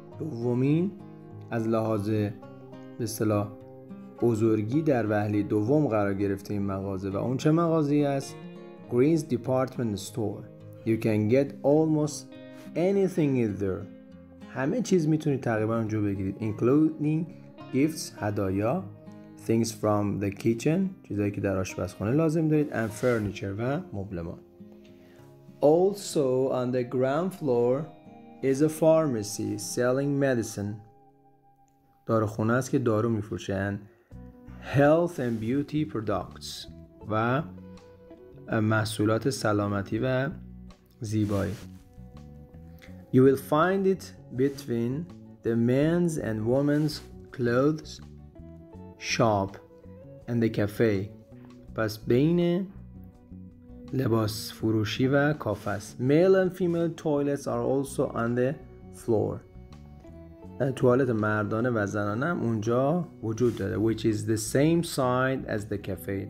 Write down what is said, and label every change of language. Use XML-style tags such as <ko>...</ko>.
<fa>دومین از لحاظ به اصطلاح بزرگی در وهله دوم قرار گرفته این مغازه و اون چه مغازه‌ای است؟</fa> <en>Green's Department Store. You can get almost anything in there.</en> <fa>همه چیز میتونید تقریبا اونجا بگیرید,</fa> <en>including gifts,</en> <fa>هدایا,</fa> <en>things from the kitchen,</en> <fa>چیزایی که در آشپزخانه لازم دارید,</fa> <en>and furniture</en> <fa>و مبلمان.</fa> <en>Also on the ground floor is a pharmacy selling medicine.</en> <fa>داروخونه است که دارو میفروشند.</fa> <en>Health and beauty products</en> <fa>و محصولات سلامتی و زیبایی.</fa> <en>You will find it between the men's and women's clothes shop and the cafe.</en> <fa>پس بین لباس فروشی و کافه است.</fa> <en>Male and female toilets are also on the floor.</en> <fa>توالت مردانه و زنانه هم اونجا وجود داره.</fa> <en>Which is the same side as the cafe.</en>